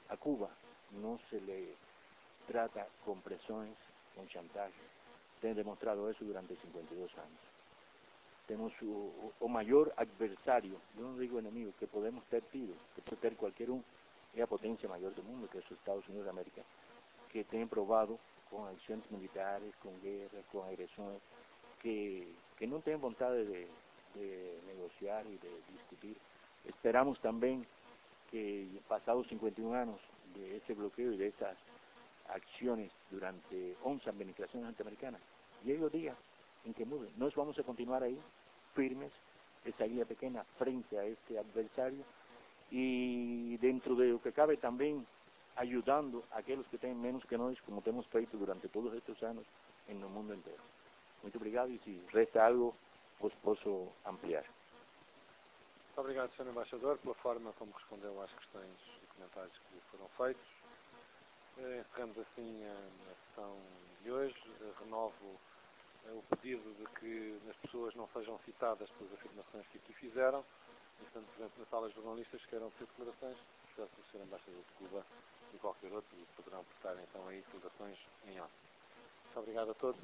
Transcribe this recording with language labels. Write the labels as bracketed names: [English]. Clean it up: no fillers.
[Spanish] A Cuba no se le trata con presiones, con chantaje. Te he demostrado eso durante 52 años. Tenemos o mayor adversario, yo no digo enemigo, que podemos ter tido, que puede ter cualquier un, es la potencia mayor del mundo, que es los Estados Unidos de América, que tiene probado [Portuguese] com ações militares, com guerra, com agressões, que não tem vontade de negociar e de discutir. Esperamos também que, passados 51 anos de esse bloqueio e dessas [Spanish] acciones durante 11 administraciones norteamericanas, llegue el día en que mude. Nos vamos a continuar ahí, firmes, esa guía pequeña frente a este adversario y dentro de lo que cabe también ayudando a aquellos que tienen menos que nosotros, como hemos feito durante todos estos años en el mundo entero. Muchas gracias y si resta algo, os puedo ampliar. Muchas gracias, señor embajador, por la forma como respondió a las cuestiones y comentarios que fueron feitos. [Portuguese] Encerramos assim a sessão de hoje. Renovo o pedido de que as pessoas não sejam citadas pelas afirmações que aqui fizeram, estando presente na sala de jornalistas que queiram fazer declarações, portanto, o Sr. Embaixador de Cuba e qualquer outro, e poderão portar então aí declarações em ordem. Muito obrigado a todos.